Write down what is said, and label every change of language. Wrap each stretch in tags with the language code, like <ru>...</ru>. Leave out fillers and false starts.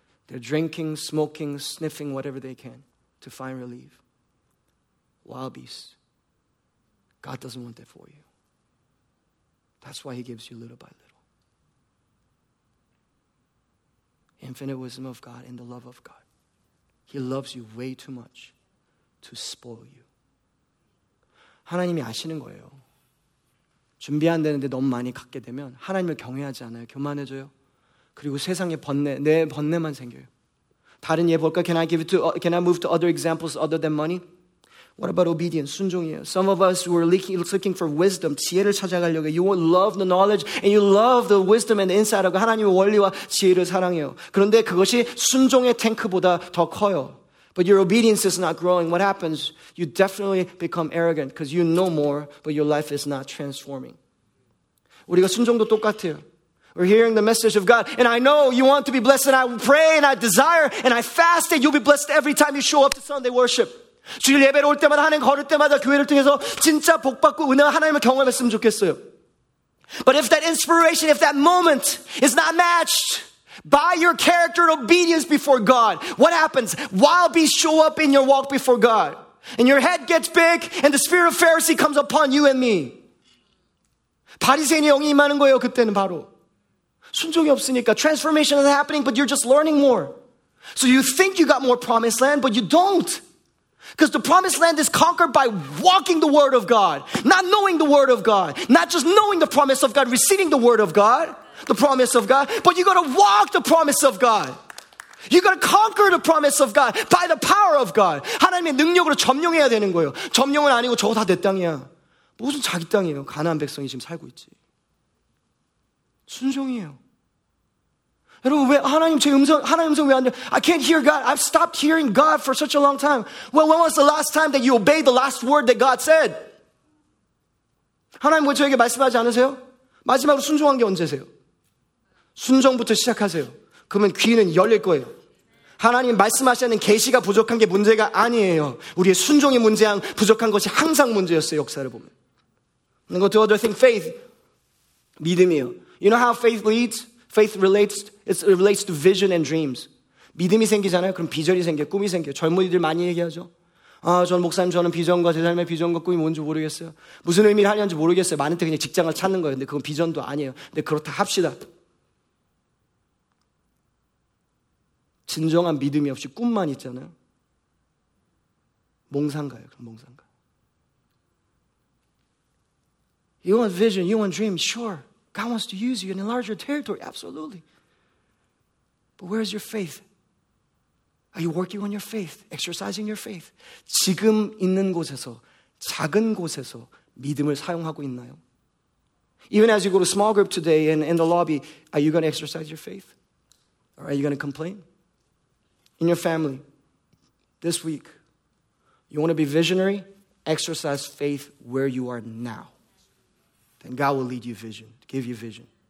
<en>They're drinking, smoking, sniffing, whatever they can to find relief. Wild beasts. God doesn't want that for you. That's why he gives you little by little. Infinite wisdom of God and the love of God. He loves you way too much to spoil you.</en> <ko>하나님이 아시는 거예요. 준비 안 되는데 너무 많이 갖게 되면 하나님을 경외하지 않아요. 교만해져요. 그리고 세상에 번뇌, 내 번뇌만 생겨요. 다른 예 볼까?</ko> <en>Can I move to other examples other than money? What about obedience?</en> <ko>순종이에요.</ko> <en>Some of us were looking for wisdom.</en> <ko>지혜를 찾아가려고.</ko> <en>You love the knowledge and you love the wisdom and the insight of God.</en> <ko>하나님의 원리와 지혜를 사랑해요. 그런데 그것이 순종의 탱크보다 더 커요.</ko> <en>But your obedience is not growing. What happens? You definitely become arrogant because you know more, but your life is not transforming.</en> <ko>우리가 순종도 똑같아요.</ko> <en>We're hearing the message of God. And I know you want to be blessed. And I pray and I desire and I fast that you'll be blessed every time you show up to Sunday worship.</en> <ko>주일 예배를 올 때마다 하나님 걸을 때마다 교회를 통해서 진짜 복받고 은혜와 하나님을 경험했으면 좋겠어요.</ko> <en>But if that inspiration, if that moment is not matched by your character and obedience before God, what happens? Wild beasts show up in your walk before God. And your head gets big and the spirit of Pharisee comes upon you and me.</en> <ko>바리새인의 영이 임하는 거예요, 그때는 바로. 순종이 없으니까</ko> <en>transformation is happening, but you're just learning more. So you think you got more promised land, but you don't. Because the promised land is conquered by walking the word of God, not knowing the word of God, not just knowing the promise of God, receiving the word of God, the promise of God, but you got to walk the promise of God. You got to conquer the promise of God by the power of God.</en> <ko>하나님의 능력으로 점령해야 되는 거예요. 점령은 아니고 저거 다 내 땅이야. 무슨 자기 땅이에요. 가나안 백성이 지금 살고 있지. 순종이에요. 여러분 왜 하나님 제 음성 하나님 음성 왜 안 돼?</ko> <en>I can't hear God. I've stopped hearing God for such a long time. Well, when was the last time that you obeyed the last word that God said?</en> <ko>하나님 왜 저에게 말씀하지 않으세요? 마지막으로 순종한 게 언제세요? 순종부터 시작하세요. 그러면 귀는 열릴 거예요. 하나님 말씀하시는 계시가 부족한 게 문제가 아니에요. 우리의 순종이 문제한 부족한 것이 항상 문제였어요. 역사를 보면.</ko> <en>And go to other thing, faith.</en> <ko>믿음이요.</ko> <en>You know how faith leads? Faith relates, it relates to vision and dreams.</en> <ko>믿음이 생기잖아요. 그럼 비전이 생겨, 꿈이 생겨. 젊은이들 많이 얘기하죠. 아, 전 목사님, 저는 비전과 제 삶의 비전과 꿈이 뭔지 모르겠어요. 무슨 의미를 하려는지 모르겠어요. 많은 때 그냥 직장을 찾는 거예요. 근데 그건 비전도 아니에요. 근데 그렇다 합시다. 진정한 믿음이 없이 꿈만 있잖아요. 몽상가요, 그럼 몽상가.</ko> <en>You want vision, you want dream, sure. God wants to use you and enlarge your territory, absolutely. But where is your faith? Are you working on your faith, exercising your faith?</en> <ko>지금 있는 곳에서, 작은 곳에서 믿음을 사용하고 있나요?</ko> <en>Even as you go to small group today and in the lobby, are you going to exercise your faith? Or are you going to complain? In your family, this week, you want to be visionary? Exercise faith where you are now. Then God will lead you vision, give you vision.</en>